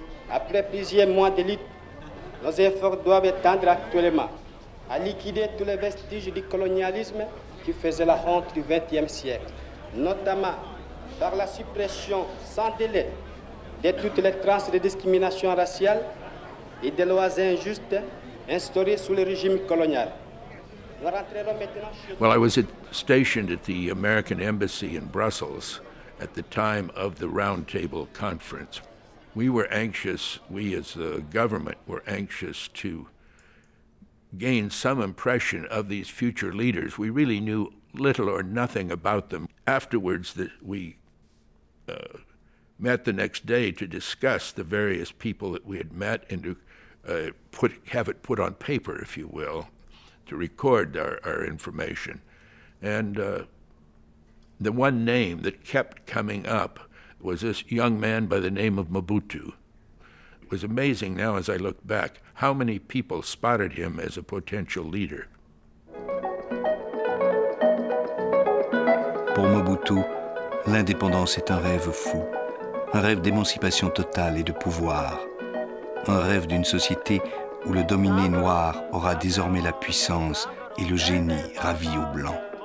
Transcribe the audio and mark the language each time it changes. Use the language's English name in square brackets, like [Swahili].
[French] Après plusieurs mois de lutte, nos efforts doivent tendre actuellement à liquider tous les vestiges du colonialisme qui faisait la honte du XXe siècle, notamment par la suppression sans délai de toutes les traces de discrimination raciale et des lois injustes instaurées sous le régime colonial. Nous rentrerons maintenant chez [English] nous. Well, I was stationed at the American Embassy in Brussels at the time of the roundtable conference. We as the government were anxious to gain some impression of these future leaders. We really knew little or nothing about them. Afterwards, we met the next day to discuss the various people that we had met and to have it put on paper, if you will, to record our information. And the one name that kept coming up was this young man by the name of Mobutu. It was amazing now as I look back how many people spotted him as a potential leader. [French] Pour Mobutu, l'indépendance est un rêve fou, un rêve d'émancipation totale et de pouvoir, un rêve d'une société où le dominé noir aura désormais la puissance et le génie ravi aux blancs.